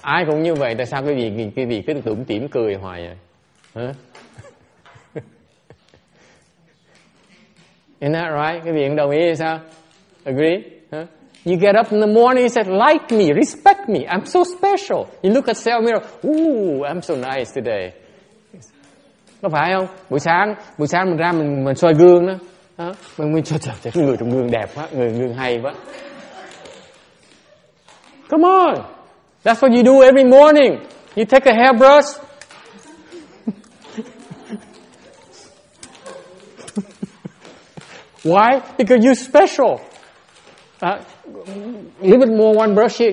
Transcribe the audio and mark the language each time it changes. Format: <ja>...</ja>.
<vi>Ai cũng như vậy, tại sao quý vị nhìn quý vị cứ tủm tỉm cười hoài vậy? Huh?</vi> <en>Isn't that right?</en> <vi>Quý vị cũng đồng ý hay sao?</vi> <en>Agree? Huh? You get up in the morning, you said, like me, respect me, I'm so special. You look at the cell mirror, ooh, I'm so nice today.</en> <vi>Có phải không? Buổi sáng mình ra mình soi gương đó. Mình cho chồng cái người trong gương đẹp quá, người gương hay quá.</vi> <en>Come on, that's what you do every morning. You take a hairbrush. Why? Because you're special. A little bit more, one brush here.</en>